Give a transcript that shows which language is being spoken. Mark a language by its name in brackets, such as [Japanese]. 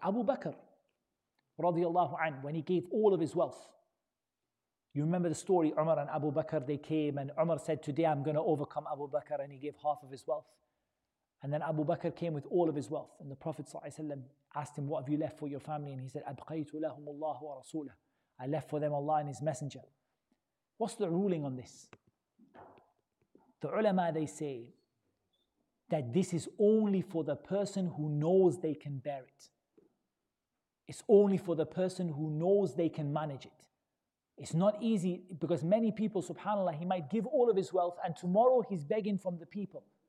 [English] Abu Bakr, radiallahu anhu, when he gave all of his wealth. You remember the story, Umar and Abu Bakr, they came and Umar said, today I'm going to overcome Abu Bakr, and he gave half of his wealth. And then Abu Bakr came with all of his wealth. And the Prophet ﷺ asked him, what have you left for your family? And he said, [Arabic] أَبْقَيْتُ لَهُمُ اللَّهُ وَرَسُولَهُ. [English] I left for them Allah and His Messenger. What's the ruling on this? The ulama, they say that this is only for the person who knows they can bear it. It's only for the person who knows they can manage it. It's not easy, because many people, subhanAllah, he might give all of his wealth and tomorrow he's begging from the people.